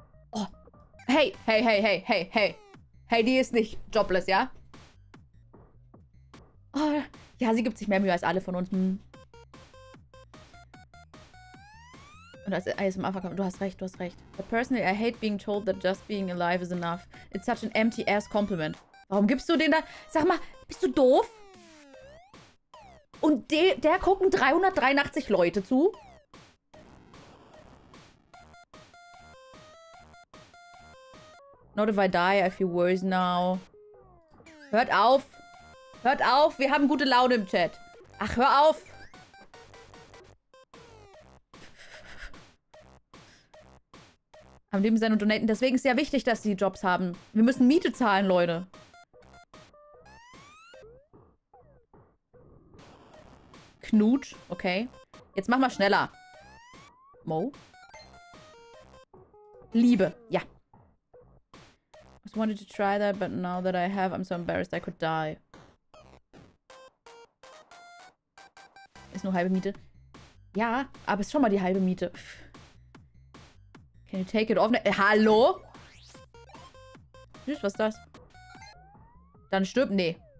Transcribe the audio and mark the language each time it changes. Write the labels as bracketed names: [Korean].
[German] Oh. Hey, hey, hey, hey, hey, hey. Hey, die ist nicht jobless, ja? Oh. Ja, sie gibt sich mehr Mühe als alle von uns. Hm. Und als er zum Anfang kommt, du hast recht, du hast recht. [English] But personally, I hate being told that just being alive is enough. It's such an empty ass compliment. [German] Warum gibst du den da? Sag mal, bist du doof? Und der gucken 383 Leute zu? [English] Not if I die, I feel worse now. [German] Hört auf. Hört auf, wir haben gute Laune im Chat. Ach, hör auf. Am Leben sein und donaten. Deswegen ist es ja wichtig, dass sie Jobs haben. Wir müssen Miete zahlen, Leute. Knutsch, okay. Jetzt mach mal schneller. Mo. Liebe, ja. [English] I just wanted to try that, but now that I have, I'm so embarrassed, I could die. [German] Ist nur halbe Miete. Ja, aber ist schon mal die halbe Miete. [English] Can you take it off? [German] Hallo? Süß, was ist das? Dann stirb, nee.